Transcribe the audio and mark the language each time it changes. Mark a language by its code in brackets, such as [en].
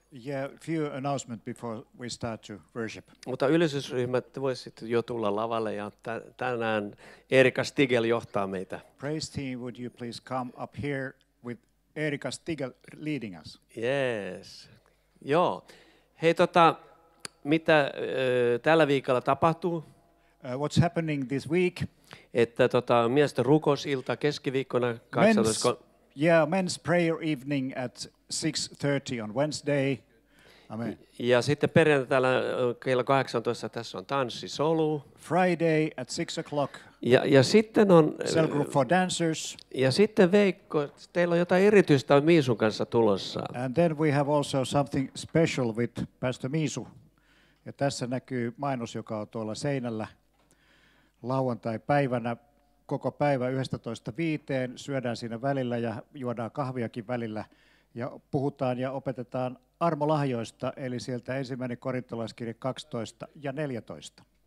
[en] Yeah, few announcements before we start to worship. [fi] Mutta ylistysryhmät voisit jo tulla lavalle ja tänään Erika Stigel johtaa meitä. [en] Praise team, would you please come up here with Erika Stigel leading us? [fi] Yes. Joo. Hei, mitä tällä viikolla tapahtuu? [en] What's happening this week? [fi] Että miesten rukousilta keskiviikkona 12. [en] Yeah, men's prayer evening at 6:30 on Wednesday. Amen. [fi] Ja sitten perjantaina kello 18 tässä on tanssisolu. [en] Friday at 6:00. [fi] Ja sitten on [en] cell group for dancers. [fi] Ja sitten Veikko, teillä on jotain erityistä Miisun kanssa tulossa. [en] And then we have also something special with Pastor Miisu. [fi] Ja tässä näkyy mainos, joka on tuolla seinällä. Lauantai-päivänä koko päivä 11:00-5:00 syödään siinä välillä ja juodaan kahviakin välillä ja puhutaan ja opetetaan armolahjoista, eli sieltä ensimmäinen korintolaiskirja 12 ja 14.